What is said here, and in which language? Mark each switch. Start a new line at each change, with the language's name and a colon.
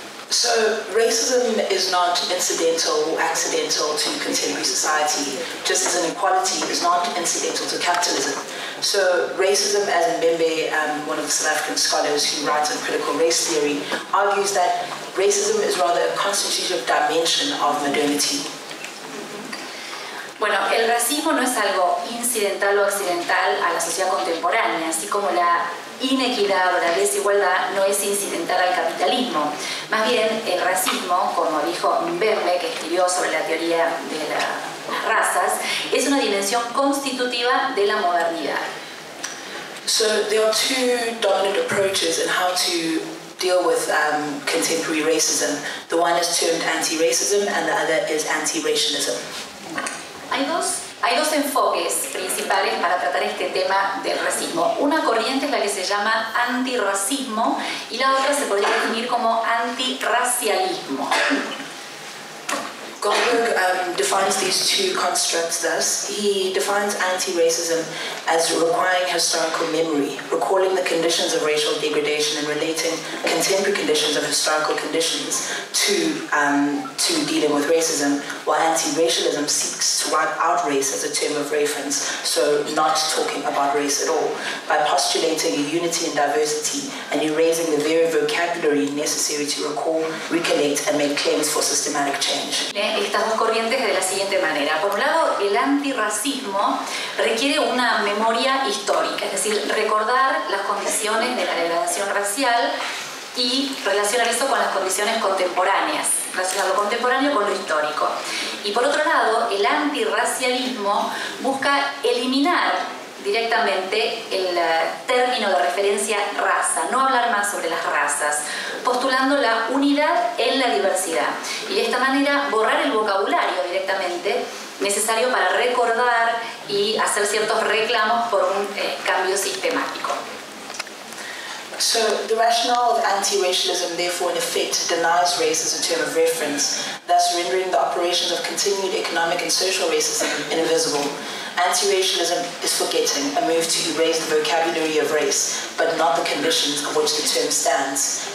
English: So racism is not incidental or accidental to contemporary society, just as inequality is not incidental to capitalism. So racism, as Mbembe, one of the South African scholars who writes on critical race theory, argues that racism is rather a constitutive dimension of modernity.
Spanish: Bueno, el racismo no es algo incidental o accidental a la sociedad contemporánea, así como la inequidad o la desigualdad no es incidental al capitalismo. Más bien, el racismo, como dijo Mbembe, que escribió sobre la teoría de las razas, es una dimensión constitutiva de la modernidad.
English: So there are two dominant approaches in how to deal with contemporary racism. The one is termed anti-racism and the other is anti-racialism.
Spanish: Hay dos enfoques principales para tratar este tema del racismo. Una corriente es la que se llama antirracismo y la otra se podría definir como antirracialismo.
English: Goldberg defines these two constructs thus. He defines anti-racism as requiring historical memory, recalling the conditions of racial degradation and relating contemporary conditions of historical conditions to dealing with racism, while anti-racialism seeks to wipe out race as a term of reference, so not talking about race at all, by postulating a unity in diversity and erasing the very vocabulary necessary to recall, recollect, and make claims for systematic change.
Spanish: Estas dos corrientes de la siguiente manera. Por un lado, el antirracismo requiere una memoria histórica, es decir, recordar las condiciones de la degradación racial y relacionar eso con las condiciones contemporáneas, relacionar lo contemporáneo con lo histórico. Y por otro lado, el antirracialismo busca eliminar directamente el término de referencia raza, no hablar más sobre las razas, postulando la unidad en la diversidad. Y de esta manera borrar el vocabulario directamente necesario para recordar y hacer ciertos reclamos por un cambio sistemático.
English: So the rationale of anti-racialism, therefore, in effect, denies race as a term of reference, thus rendering the operations of continued economic and social racism invisible. Anti-racialism is forgetting, a move to erase the vocabulary of race, but not the conditions of which the term stands.